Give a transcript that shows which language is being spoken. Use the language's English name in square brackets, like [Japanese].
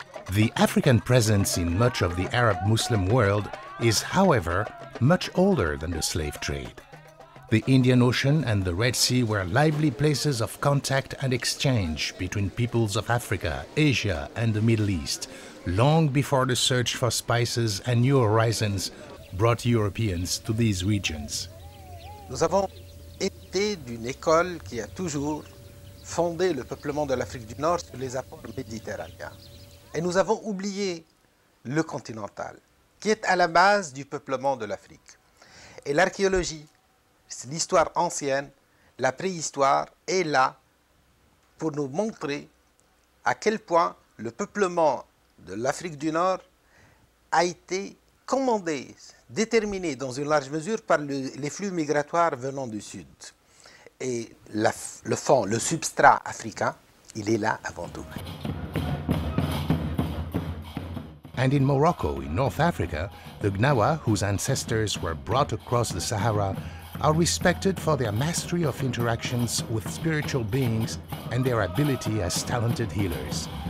[English] The African presence in much of the Arab Muslim world is, however, much older than the slave trade. The Indian Ocean and the Red Sea were lively places of contact and exchange between peoples of Africa, Asia, and the Middle East, long before the search for spices and new horizons brought Europeans to these regions. [French] Nous avons été d'une école qui a toujours fondé le peuplement de l'Afrique du Nord sur les apports méditerranéens. Et nous avons oublié le continental, qui est à la base du peuplement de l'Afrique. Et l'archéologie, c'est l'histoire ancienne, la préhistoire, est là pour nous montrer à quel point le peuplement de l'Afrique du Nord a été commandé, déterminé dans une large mesure par les flux migratoires venant du Sud. Et le fond, le substrat africain, il est là avant tout. [English] And in Morocco, in North Africa, the Gnawa, whose ancestors were brought across the Sahara, are respected for their mastery of interactions with spiritual beings and their ability as talented healers.